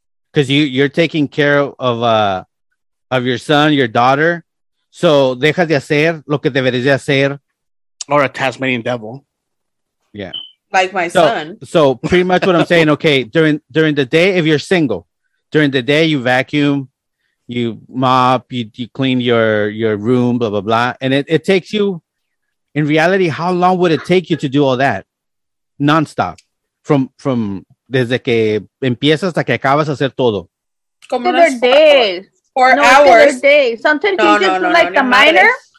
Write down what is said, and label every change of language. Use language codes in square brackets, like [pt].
[en] Because you're taking care of your son, your daughter. [es] So, dejas de hacer lo que deberías de hacer. [en] Or a Tasmanian devil. Yeah. Like my son. So, pretty much what I'm saying, okay, during the day, if you're single, during the day, you vacuum, you mop, you clean your room, blah, blah, blah. And it takes you, in reality, how long would it take you to do all that? Nonstop. [es] From desde que empiezas hasta que acabas hacer todo. Como una [en] 4 hours. Day. Sometimes you just do like the minor.